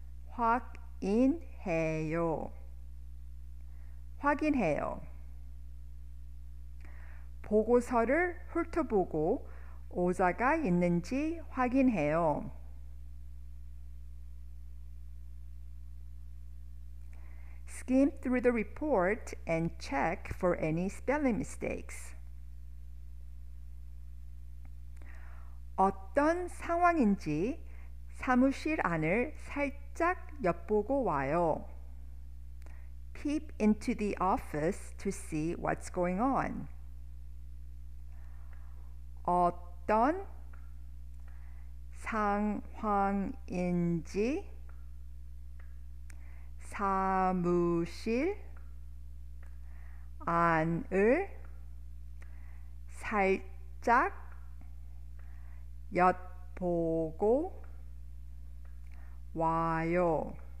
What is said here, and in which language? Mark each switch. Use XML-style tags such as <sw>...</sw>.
<ko>확인해요. 확인해요. 보고서를 훑어보고 오자가 있는지 확인해요.</ko> <en>스킴 through the report and check for any spelling mistakes.</en> <ko>어떤 상황인지 사무실 안을 살짝 엿보고 와요.</ko> <en>Peep into the office to see what's going on.</en> <ko>어떤 상황인지 사무실 안을 살짝 엿보고 와요.</ko>